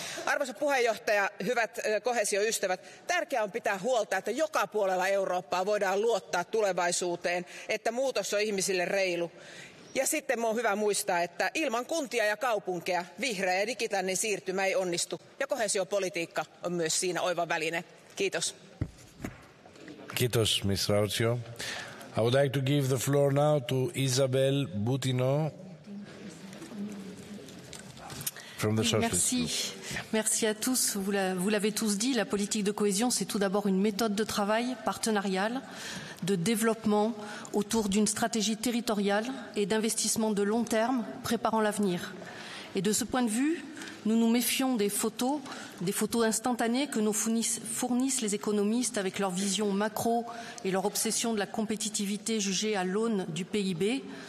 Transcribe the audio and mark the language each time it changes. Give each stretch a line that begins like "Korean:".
Finnish: Arvoisa puheenjohtaja, hyvät koheesioystävät, tärkeää on pitää huolta, että joka puolella Eurooppaa voidaan luottaa tulevaisuuteen, että muutos on ihmisille reilu. Ja sitten on hyvä muistaa, että ilman kuntia ja kaupunkeja vihreä ja digitaalinen siirtymä ei onnistu ja koheesiopolitiikka on myös siinä oiva väline. Kiitos. Kiitos, Ms. Raucio.
English: I would like to give the floor now to Isabelle Boutineau from the Socialist
French: Group. Merci. Merci à tous. Vous l'avez tous dit, la politique de cohésion, c'est tout d'abord une méthode de travail partenariale, de développement autour d'une stratégie territoriale et d'investissement de long terme préparant l'avenir. Et de ce point de vue, nous nous méfions des photos instantanées que nous fournissent les économistes avec leur vision macro et leur obsession de la compétitivité jugée à l'aune du PIB.